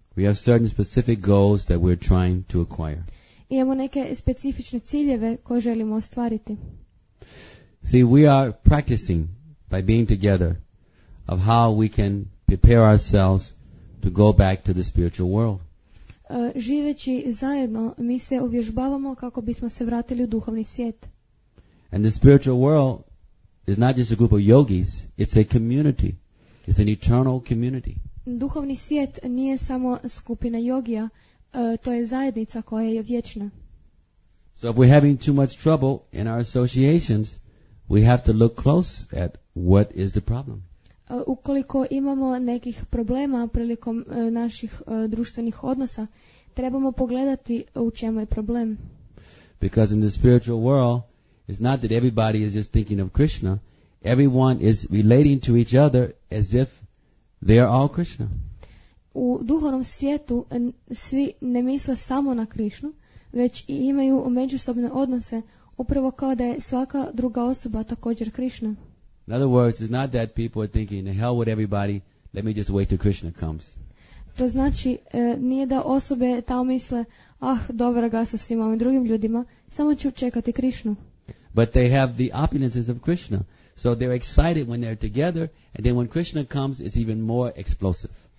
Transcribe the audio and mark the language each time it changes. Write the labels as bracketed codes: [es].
[en] We have certain specific goals that we're trying to acquire. [hr] Imamo neke specifične ciljeve koje želimo ostvariti. [en] See, we are practicing by being together of how we can prepare ourselves to go back to the spiritual world. [hr] Živeći zajedno, mi se uvježbavamo kako bismo se vratili u duhovni svijet. [en] And the spiritual world is not just a group of yogis, it's a community. It's an eternal community. [hr] Duhovni svijet nije samo skupina jogija, to je zajednica koja je vječna. [en] So if we're having too much trouble in our associations, we have to look close at what is the problem. [hr] Ukoliko imamo nekih problema prilikom naših društvenih odnosa, trebamo pogledati u čemu je problem. [en] Because in the spiritual world, it's not that everybody is just thinking of Krishna. Everyone is relating to each other as if they are all Krishna. [hr] U duhovnom svijetu svi ne misle samo na Krišnu, već i imaju međusobne odnose, upravo kao da je svaka druga osoba također Krišna. [en] In other words, it's not that people are thinking, the hell with everybody, let me just wait till Krishna comes. [hr] To znači, nije da osobe tamo misle, ah, dobro ga sa svima ovim drugim ljudima, samo ću čekati Krišnu. [en] But they have the opulences of Krishna, so they're excited when they're together, and then when Krishna comes, it's even more explosive.